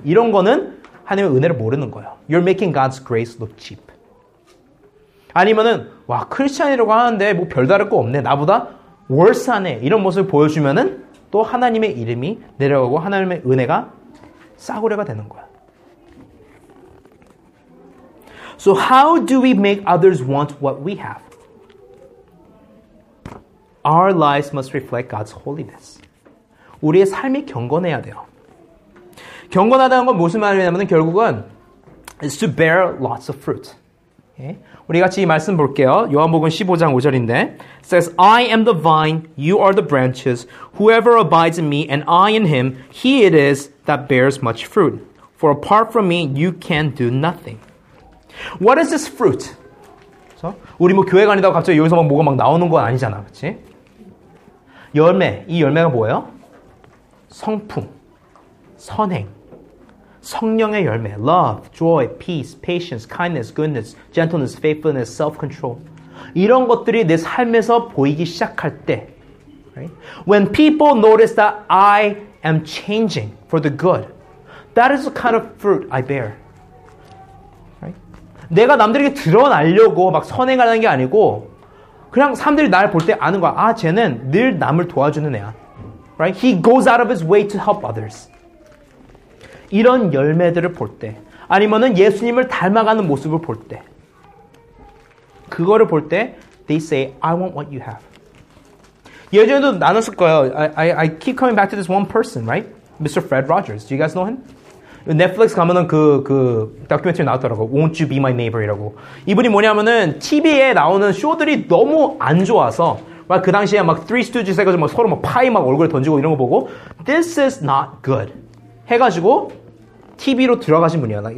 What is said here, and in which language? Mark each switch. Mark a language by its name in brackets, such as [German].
[Korean] 이런 거는 하나님의 은혜를 모르는 거예요. [English] You're making God's grace look cheap. [Korean] 아니면은 와, 크리스찬이라고 하는데 뭐 별다를 거 없네. 나보다 월산에 이런 모습을 보여주면은 또 하나님의 이름이 내려가고 하나님의 은혜가 싸구려가 되는 거야. [English] So how do we make others want what we have? Our lives must reflect God's holiness. [Korean] 우리의 삶이 경건해야 돼요. 경건하다는 건 무슨 말이냐면은 결국은 [English] is to bear lots of fruit. [Korean] 우리 같이 이 말씀 볼게요. 요한복음 15장 5절인데 [English] says, I am the vine, you are the branches. Whoever abides in me and I in him, he it is that bears much fruit. For apart from me, you can do nothing. What is this fruit? [Korean] 그래서 우리 뭐 교회 간다고 갑자기 여기서 막 뭐가 막 나오는 건 아니잖아. 그치? 열매. 이 열매가 뭐예요? 성품, 선행. 성령의 열매, [English] love, joy, peace, patience, kindness, goodness, gentleness, faithfulness, self-control. [Korean] 이런 것들이 내 삶에서 보이기 시작할 때, right? [English] When people notice that I am changing for the good, that is the kind of fruit I bear. Right? [Korean] 내가 남들에게 드러나려고 막 선행하는 게 아니고, 그냥 사람들이 날 볼 때 아는 거야. 아, 쟤는 늘 남을 도와주는 애야. [English] Right? He goes out of his way to help others. [Korean] 이런 열매들을 볼 때, [English] 아니면은 예수님을 닮아가는 모습을 볼 때, 그거를 볼 때, they say, I want what you have. [Korean] 예전에도 나눴을 거예요. [English] I keep coming back to this one person, right? Mr. Fred Rogers. Do you guys know him? [Korean] 넷플릭스 가면은 그 다큐멘터리 나왔더라고. [English] Won't you be my neighbor? [Korean] 이라고. 이분이 뭐냐면은 TV에 나오는 쇼들이 너무 안 좋아서 막 그 당시에 막 Three Stooges 해가지고 막 서로 막 파이 막 얼굴에 던지고 이런 거 보고 [English] This is not good [Korean] 해가지고 TV로 들어가신 분이에요.